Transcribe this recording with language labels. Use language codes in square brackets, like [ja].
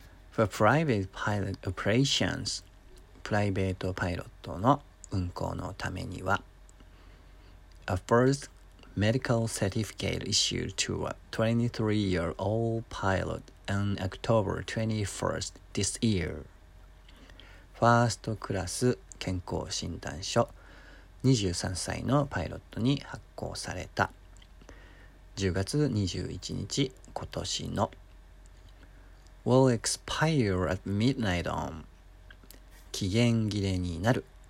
[en] For private pilot operations, [ja] プライベートパイロットの運航のためには、 [en] A first medical certificate issued to a 23-year-old pilot on October 21st this year. [ja] ファーストクラス健康診断書、23歳のパイロットに発行された。 10月21日、今年の。 [en] Will expire at midnight on [ja] 期限切れになる。